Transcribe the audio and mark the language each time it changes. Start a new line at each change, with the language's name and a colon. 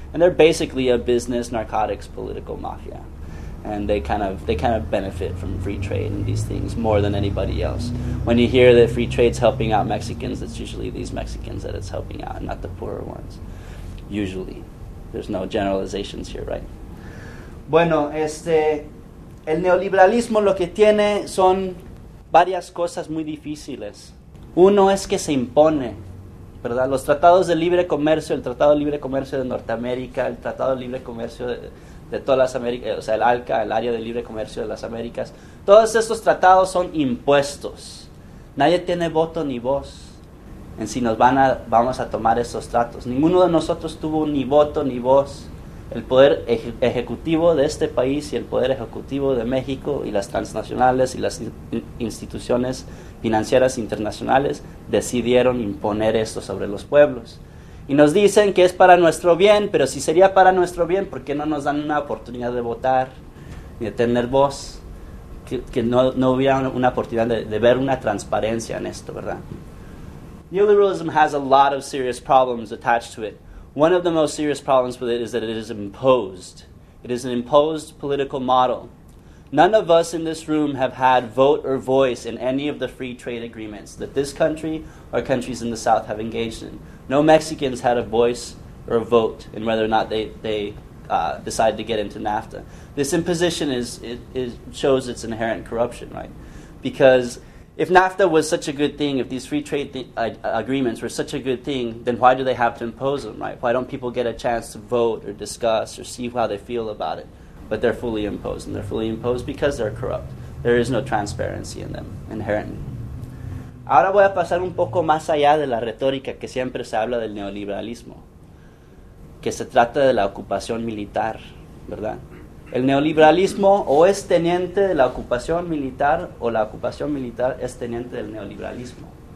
English: And they're basically a business, narcotics, political mafia. And they kind of benefit from free trade and these things more than anybody else. When you hear that free trade's helping out Mexicans, it's usually these Mexicans that it's helping out, not the poorer ones. Usually. There's no generalizations here, right?
Spanish: Bueno, el neoliberalismo lo que tiene son varias cosas muy difíciles. Uno es que se impone, ¿verdad? Los tratados de libre comercio, el Tratado de Libre Comercio de Norteamérica, el Tratado de Libre Comercio de todas las Américas, o sea, el ALCA, el Área de Libre Comercio de las Américas, todos estos tratados son impuestos. Nadie tiene voto ni voz en si vamos a tomar esos tratos. Ninguno de nosotros tuvo ni voto ni voz. El poder ejecutivo de este país y el poder ejecutivo de México y las transnacionales y las instituciones financieras internacionales decidieron imponer esto sobre los pueblos. Y nos dicen que es para nuestro bien, pero si sería para nuestro bien, ¿por qué no nos dan una oportunidad de votar y de tener voz? Que no hubiera una oportunidad de ver una transparencia en esto, ¿verdad?
English: Neoliberalism has a lot of serious problems attached to it. One of the most serious problems with it is that it is imposed. It is an imposed political model. None of us in this room have had vote or voice in any of the free trade agreements that this country or countries in the South have engaged in. No Mexicans had a voice or a vote in whether or not they decided to get into NAFTA. This imposition is shows its inherent corruption, right? Because if NAFTA was such a good thing, if these free trade agreements were such a good thing, then why do they have to impose them, right? Why don't people get a chance to vote or discuss or see how they feel about it? But they're fully imposed, and they're fully imposed because they're corrupt. There is no transparency in them inherently.
Spanish: Ahora voy a pasar un poco más allá de la retórica que siempre se habla del neoliberalismo, que se trata de la ocupación militar, ¿verdad? El neoliberalismo o es teniente de la ocupación militar o la ocupación militar es teniente del neoliberalismo.